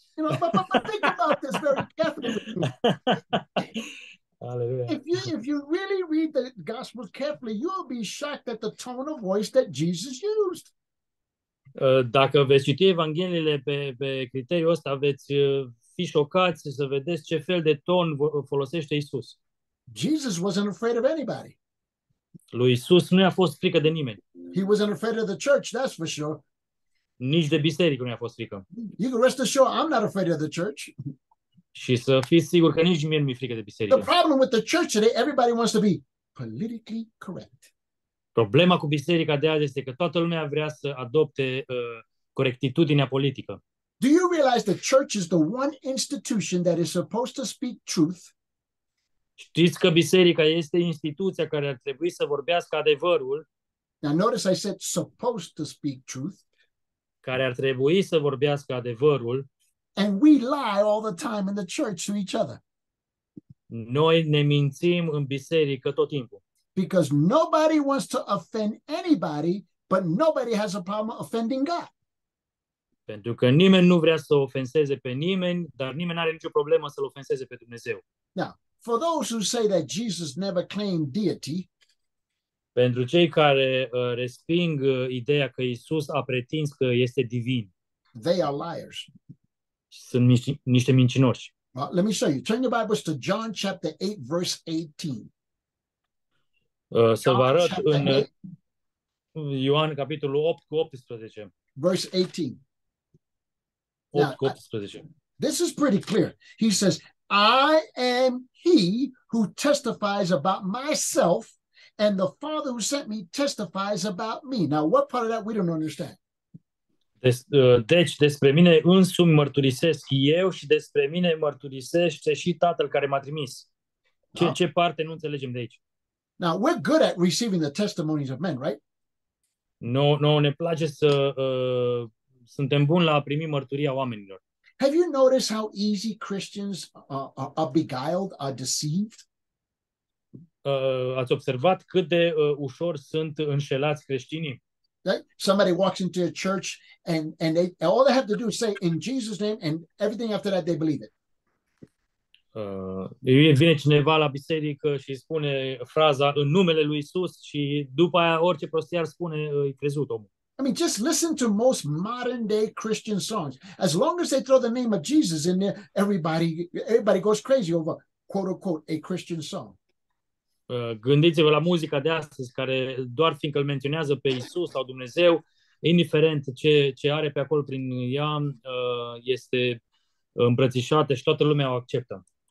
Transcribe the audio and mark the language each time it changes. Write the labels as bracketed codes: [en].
[en] You know, but think about this very carefully. Hallelujah. If you really read the Gospels carefully, you'll be shocked at the tone of voice that Jesus used. [ro] Dacă veți citi evangheliile pe criteriul ăsta, veți fi șocați să vedeți ce fel de ton folosește Isus. [en] Jesus wasn't afraid of anybody. [ro] Lui Isus nu i-a fost frică de nimeni. [en] He wasn't afraid of the church, that's for sure. [ro] Nici de biserică nu i-a fost frică. [en] You can rest assured, I'm not afraid of the church. [ro] Și să fiți sigur că nici mie nu mi-e frică de biserică. [en] The problem with the church today, everybody wants to be politically correct. [ro] Problema cu biserica de azi este că toată lumea vrea să adopte corectitudinea politică. [en] Do you realize the church is the one institution that is supposed to speak truth? [ro] Știți că biserica este instituția care ar trebui să vorbească adevărul? [en] Now notice I said supposed to speak truth. [ro] Care ar trebui să vorbească adevărul? [en] And we lie all the time in the church to each other. [ro] Noi ne mințim în biserică tot timpul. [en] Because nobody wants to offend anybody, but nobody has a problem offending God. [ro] Pentru că nimeni nu vrea să ofenseze pe nimeni, dar nimeni are nicio problemă să-l ofenseze pe Dumnezeu. [en] Now, for those who say that Jesus never claimed deity, [ro] pentru cei care resping ideea că Iisus a pretins că este divin, [en] they are liars. [ro] Sunt niște mincinoși. [en] Well, let me show you. Turn your Bibles to John chapter 8, verse 18. [ro] Să vă arăt în Ioan capitolul 8 cu 18. [en] Verse 18. [ro] 8 cu 18. [en] This is pretty clear. He says, I am he who testifies about myself, and the Father who sent me testifies about me. Now, what part of that we don't understand? [ro] Deci despre mine însumi mărturisesc eu și despre mine mărturisește și Tatăl care m-a trimis. Ce parte nu înțelegem de aici? [en] Now, we're good at receiving the testimonies of men, right? [ro] No, ne place să suntem buni la a primi mărturia oamenilor. [en] Have you noticed how easy Christians are beguiled, are deceived? [ro] Ați observat cât de ușor sunt înșelați creștinii? [en] Right? Somebody walks into a church and they all they have to do is say in Jesus' name and everything after that they believe it. [ro] Vine cineva la biserică și spune fraza în numele lui Isus și după aia orice prostie ar spune îi crezut omul. [en] I mean, just listen to most modern day Christian songs. As long as they throw the name of Jesus in there, everybody goes crazy over quote unquote a Christian song. [ro] Gândiți-vă la muzica de astăzi care doar fiindcă îl menționează pe Isus sau Dumnezeu, indiferent ce are pe acolo prin ea, este îmbrățișată și toată lumea o acceptă.